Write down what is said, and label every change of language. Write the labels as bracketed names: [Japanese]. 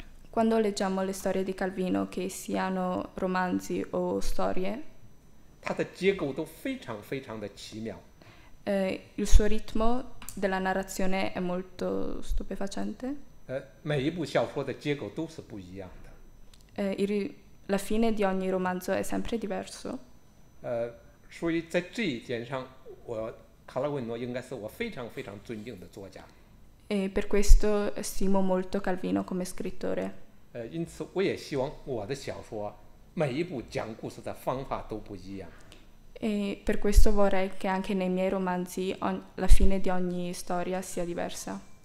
[Italian] Quando leggiamo le storie di Calvino, che siano romanzi o storie, [Chinese] 它的结构都非常非常的奇妙。 [Italian] Il suo ritmo della narrazione è molto stupefacente. [Chinese] 每一部小说的结构都是不一样的。 [Italian] La fine di ogni romanzo è sempre diverso. [Chinese] 所以在这一点上，我 卡拉维诺应该是我非常非常尊敬的作家。 [Italian] E per questo stimo molto Calvino come scrittore. [Chinese] 因此我也希望我的小说每一部讲故事的方法都不一样。 [Italian] E per questo vorrei che anche nei miei romanzi la fine di ogni storia sia diversa.